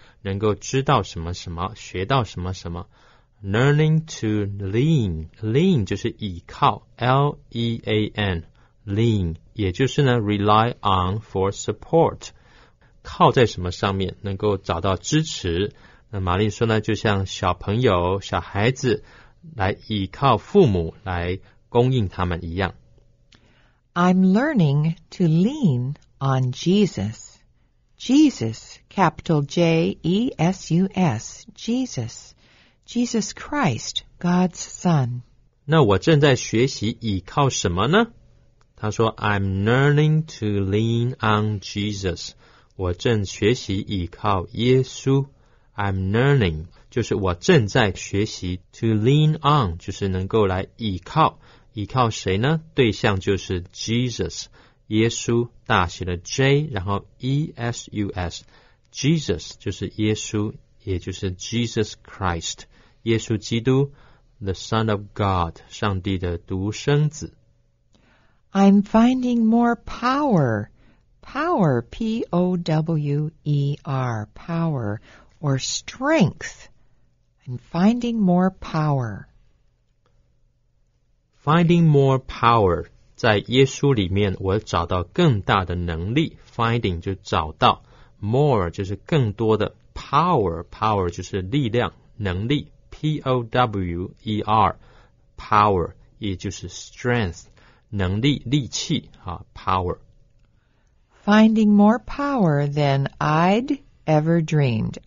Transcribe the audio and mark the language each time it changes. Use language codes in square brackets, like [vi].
[zh] 能够知道什么什么，学到什么什么。 [en] Learning to lean, [zh] lean 就是倚靠 ,L-E-A-N, lean, 也就是呢 [en] rely on for support, [zh] 靠在什么上面能够找到支持。那玛丽说呢，就像小朋友小孩子来倚靠父母来供应他们一样。 [en] I'm learning to lean on Jesus. Jesus, capital J-E-S-U-S, Jesus. Jesus Christ, God's Son. [zh] 那我正在学习倚靠什么呢？他说 [en] I'm learning to lean on Jesus. [zh] 我正学习倚靠耶稣。 [en] I'm learning, [zh] 就是我正在学习 [en] to lean on, [zh] 就是能够来倚靠。依靠谁呢？对象就是 Jesus, 耶稣，大写的 J, 然后 E-S-U-S, Jesus 就是耶稣，也就是 [en] Jesus Christ, [zh] 耶稣基督， [en] the Son of God, [zh] 上帝的独生子。 [en] I'm finding more power, power, P-O-W-E-R, power, or strength, I'm finding more power. Finding more power, [zh] 在耶稣里面我找到更大的能力。 [en] Finding [zh] 就找到， [en] More [zh] 就是更多的， Power, power 就是力量能力， P-O-W-E-R, power 也就是 strength 能力力气、power. [en] Finding more power than I'd ever dreamed.